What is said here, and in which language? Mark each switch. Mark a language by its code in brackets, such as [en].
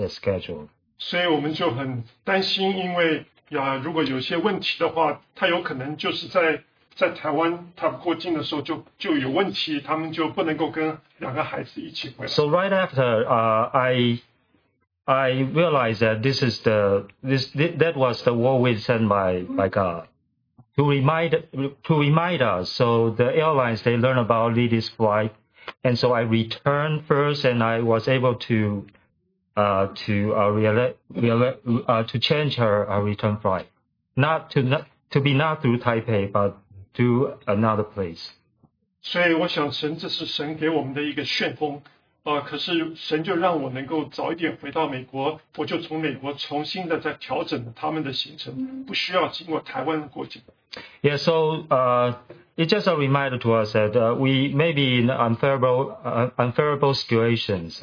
[en] as scheduled. [zh] 所以我们就很担心，因为如果有些问题的话，他有可能就是在台湾他过境的时候就有问题，他们就不能够跟两个孩子一起回来。 [en] So right after I realized that that was the warning sent by God to remind us. So the airlines, they learn about Lily's flight, and so I returned first, and I was able to change her return flight, not through Taipei, but to another place. [zh] 所以我想神这是神给我们的一个旋风。可是神就让我能够早一点回到美国，我就从美国重新的再调整他们的行程，不需要经过台湾过境。 [en] Yeah, so it's just a reminder to us that we may be in unfavorable situations.